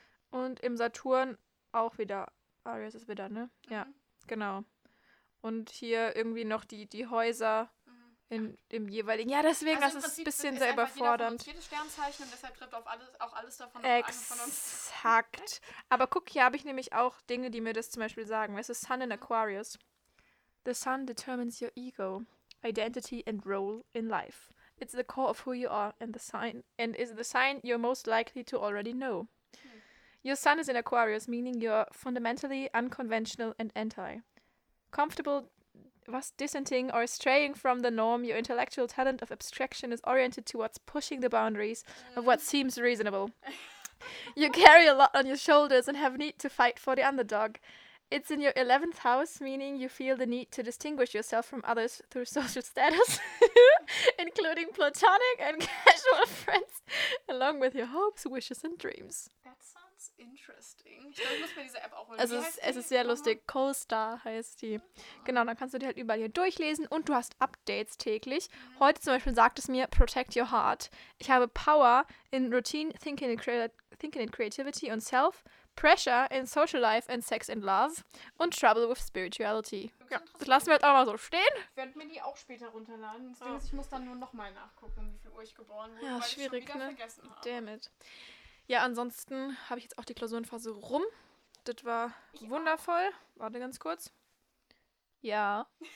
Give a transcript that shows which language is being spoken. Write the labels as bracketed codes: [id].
[de] Und im Saturn auch wieder. Aries ist wieder, ne? Mhm. Ja, genau. Und hier irgendwie noch die Häuser. Im jeweiligen. Ja, deswegen, also das ist ein bisschen sehr überfordernd. Jedes Sternzeichen und deshalb trifft auch alles davon auf einen von uns. Exakt. Aber guck, hier habe ich nämlich auch Dinge, die mir das zum Beispiel sagen. Es ist Sun in Aquarius. [en] The Sun determines your ego, identity and role in life. It's the core of who you are and is the sign you're most likely to already know. Your sun is in Aquarius, meaning you're fundamentally unconventional and anti. Comfortable was dissenting or straying from the norm, your intellectual talent of abstraction is oriented towards pushing the boundaries of what seems reasonable. You carry a lot on your shoulders and have need to fight for the underdog. It's in your 11th house, meaning you feel the need to distinguish yourself from others through social status, including platonic and casual friends, along with your hopes, wishes and dreams. That sounds interesting. [de] Ich glaube, ich muss mir diese App auch holen. Es ist sehr lustig. CoStar heißt die. Genau, dann kannst du die halt überall hier durchlesen und du hast Updates täglich. Mhm. Heute zum Beispiel sagt es mir, [en] protect your heart. [de] Ich habe [en] Power in Routine, Thinking and Creativity [de] und Self. [en] Pressure in Social Life and Sex and Love und Trouble with Spirituality. [de] Ja, das lassen wir jetzt auch mal so stehen. Ich werde mir die auch später runterladen. Das Ding ist, ich muss dann nur nochmal nachgucken, wie viel Uhr ich geboren wurde, weil ich schon wieder vergessen habe. [en] Damn it. [de] Ja, ansonsten habe ich jetzt auch die Klausurenphase rum. Das war wundervoll. Warte ganz kurz. Ja.